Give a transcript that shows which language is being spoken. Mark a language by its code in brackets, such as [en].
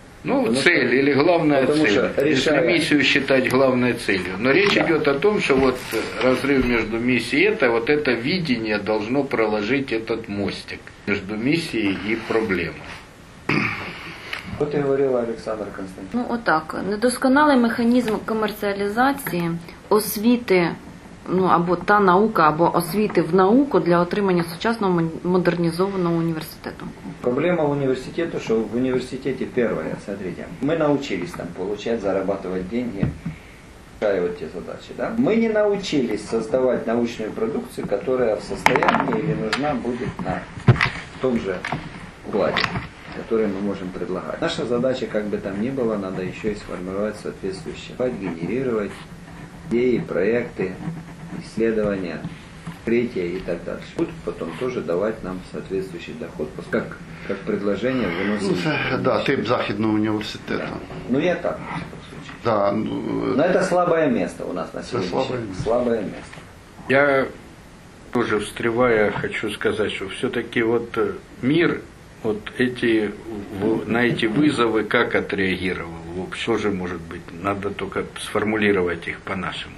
[ru] Ну, потому цель или главная цель. Если миссию считать главной целью. Но речь идет о том, что вот разрыв между миссией и это, вот это видение должно проложить этот мостик между миссией и проблемой. Вот и говорила Александр Константинович. Ну, отак. [uk] Недосконалий механізм комерціалізації освіти, ну, або та наука, або освіти в науку для отримання сучасного модернізованого університету. Проблема університету, що в університеті перше, смотрите, ми навчились там [ru] получать, зарабатывать деньги, вот те задачи, [uk] да? [ru] Мы не научились создавать научную продукцию, которая в состоянии или нужна будет на том же укладе, которые мы можем предлагать. Наша задача, как бы там ни было, надо еще и сформировать соответствующее. Подгенерировать идеи, проекты, исследования, открытия и так дальше. Будут потом тоже давать нам соответствующий доход. Как предложение выносить. [uk] Ну, да, тип Західного університету. [ru] Ну, я так, в любом случае. Да, ну, но это слабое место у нас на сегодняшний день. Слабое место. Я тоже встревая, хочу сказать, что все-таки вот мир... Вот эти на эти вызовы как отреагировал? Вообще же, может быть, надо только сформулировать их по-нашему.